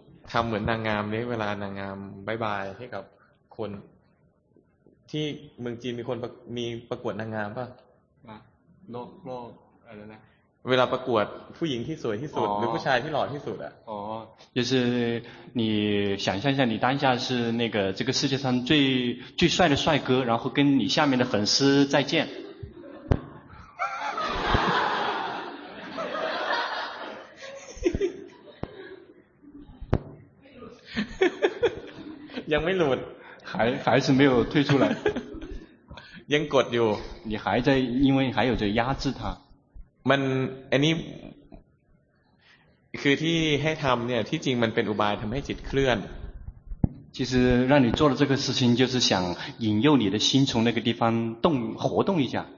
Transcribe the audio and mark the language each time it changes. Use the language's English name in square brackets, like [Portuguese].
[Thai] ทำเหมือนนางงามเนี่ยเวลานางงามบายบายให้กับคนที่เมืองจีนมีคนมีประกวดนางงามป่ะ โลกอะไรนะ เวลาประกวดผู้หญิงที่สวยที่สุดหรือผู้ชายที่หล่อที่สุดอ่ะ [Chinese] อ๋อ就是你想象一下你当下是那个这个世界上最帅的帅哥然后跟你下面的粉丝再见 [Thai] ยังไม่หลุด [Chinese] 还是没有退出来 [Thai] ยังกดอยู่ [Chinese] 你还在因为还有在压制它 [Thai] มันอันนี้คือที่ให้ทำเนี่ยที่จริงมันเป็นอุบายทำให้จิตเคลื่อน [Chinese] 其实让你做的这个事情就是想引诱你的心从那个地方动活动一下